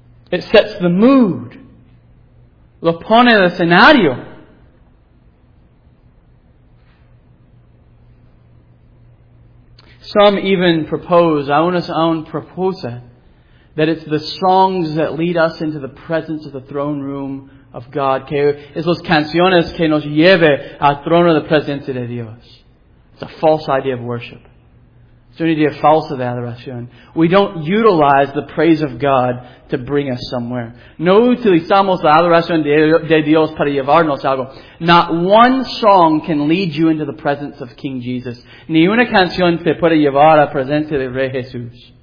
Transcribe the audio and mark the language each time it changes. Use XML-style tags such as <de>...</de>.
<en>It sets the mood.</en> <es>Lo pone el escenario.</es> <en>Some even propose,</en> <es>aún propuse,</es> <en>that it's the songs that lead us into the presence of the throne room of God.</en> <es>Que es los canciones que nos lleve al trono de presencia de Dios.</es> <en>It's a false idea of worship. It's</en> <es>una idea falsa de adoración.</es> <en>We don't utilize the praise of God to bring us somewhere.</en> <es>No utilizamos la adoración de Dios para llevarnos algo.</es> <en>Not one song can lead you into the presence of King Jesus.</en> <es>Ni una canción te puede llevar a presencia del Rey Jesús.</es>